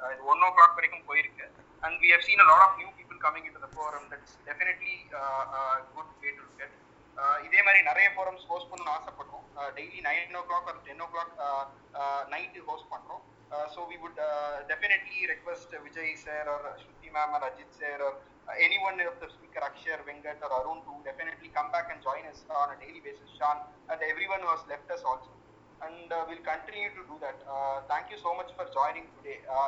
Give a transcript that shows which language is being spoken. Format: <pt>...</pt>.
<en>It 1 o'clock</en> <ta>வரைக்கும் போயிருக்கு,</ta> <en>and we have seen a lot of new people coming into the forum. That's definitely good way to look at.</en> <ta>இதே மாதிரி நிறைய forums host பண்ணனும் ஆசைப்படுறோம்.</ta> <en>Daily 9 o'clock or 10 o'clock night host பண்றோம். So we would definitely request Vijay sir or Shruti ma'am or Ajit sir or anyone of the speaker, Akshar, Vengat or Arun, to definitely come back and join us on a daily basis, Sean, and everyone who has left us also. And we'll continue to do that. Thank you so much for joining today.</en>